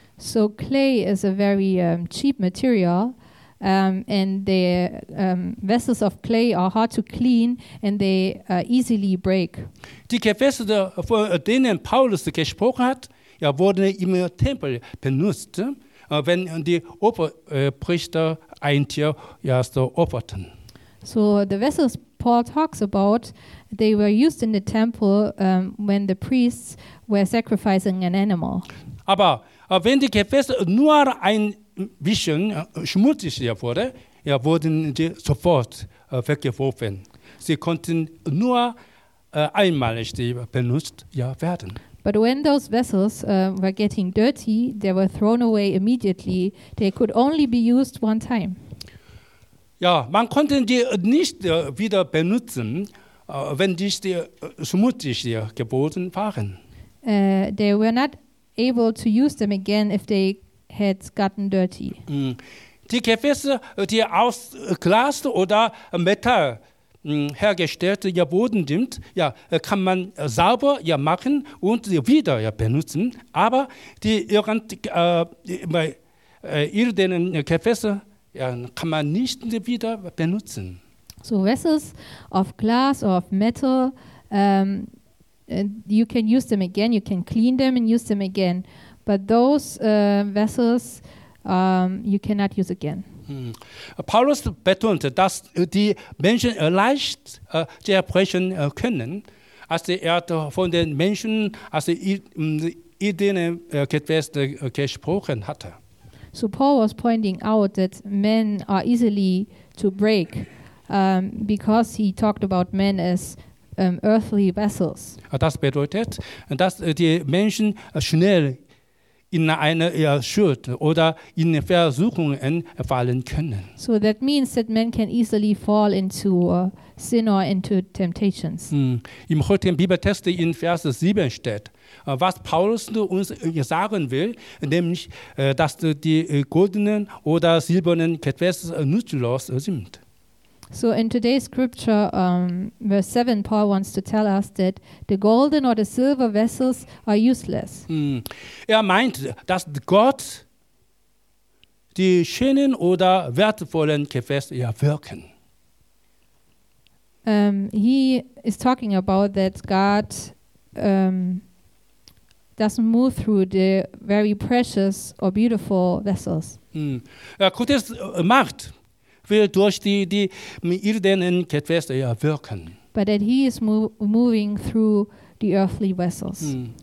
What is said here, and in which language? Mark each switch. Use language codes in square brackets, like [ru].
[en] So clay is a very cheap material and the vessels of clay are hard to clean and they easily break. [de] Die Gefäße, von denen Paulus gesprochen hat, wurden im Tempel benutzt, wenn die Opferpriester ein Tier erst opferten. [en] So the vessels Paul talks about, they were used in the temple when the priests were sacrificing an animal. [de] Aber wenn die Gefäße nur ein bisschen schmutzig wurde, ja, wurden sie sofort weggeworfen. Sie konnten nur einmalig benutzt werden. [en] But when those vessels were getting dirty, they were thrown away immediately. They could only be used one time. [de] Ja, man konnte die nicht wieder benutzen, wenn die schmutzig geworden waren. [en] They were not able to use them again if they had gotten dirty. [de] Die Gefäße, die aus Glas oder Metall hergestellt wurden, ja, kann man sauber machen und wieder benutzen. Aber die irdenen Gefäße kann man nicht wieder benutzen. [en] So vessels of glass or of metal, you can use them again. You can clean them and use them again. But those vessels, you cannot use again. [de] Paulus betont, dass die Menschen leicht die Erbrechen können, als er von den Menschen, als ihnen Gefäße gesprochen hatte. [en] So Paul was pointing out that men are easily to break because he talked about men as earthly vessels. [de] Das bedeutet, dass die Menschen schnell in eine Schuld oder in Versuchungen fallen können. [en] So that means that men can easily fall into sin or into temptations. [de] Im heutigen Bibeltext in Vers 7 steht, was Paulus uns sagen will, nämlich, dass die goldenen oder silbernen Gefäße nutzlos sind. [en] So in today's scripture, verse 7, Paul wants to tell us that the golden or the silver vessels are useless. [de] Meint, dass Gott die schönen oder wertvollen Gefäße wirken. [en] He is talking about that God doesn't move through the very precious or beautiful vessels. [de] Gottes Macht will durch die irdenen Gefäße wirken. [en] But that he is moving through the earthly vessels.